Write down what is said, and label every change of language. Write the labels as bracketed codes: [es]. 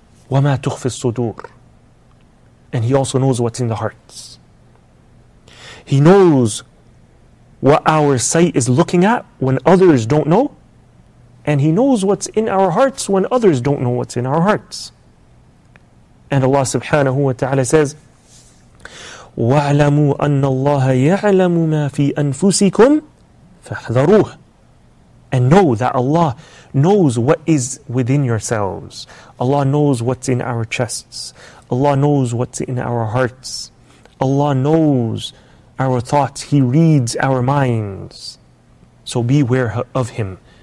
[ar] وَمَا تُخْفِ الصُّدُورِ. [en] And he also knows what's in the hearts. He knows what our sight is looking at when others don't know, and he knows what's in our hearts when others don't know what's in our hearts. [ar] And Allah subhanahu wa ta'ala says, وَعْلَمُوا أَنَّ اللَّهَ يَعْلَمُ مَا فِي أَنفُسِكُمْ فَاحْذَرُوهُ. [en] And know that Allah knows what is within yourselves. Allah knows what's in our chests. Allah knows what's in our hearts. Allah knows our thoughts. He reads our minds. So beware of Him.